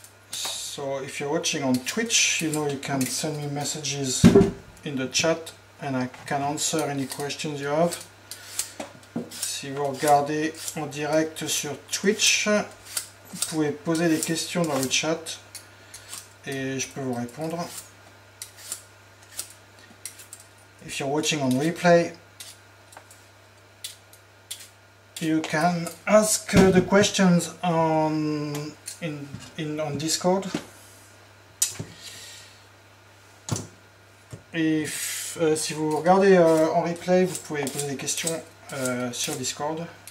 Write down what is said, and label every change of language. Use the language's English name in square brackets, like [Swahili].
[English] So if you're watching on Twitch, you know you can send me messages in the chat and I can answer any questions you have. [French] Si vous regardez en direct sur Twitch, vous pouvez poser des questions dans le chat et je peux vous répondre. [English] If you're watching on replay, you can ask the questions on Discord. [French] Si vous regardez en replay, vous pouvez poser des questions sur Discord.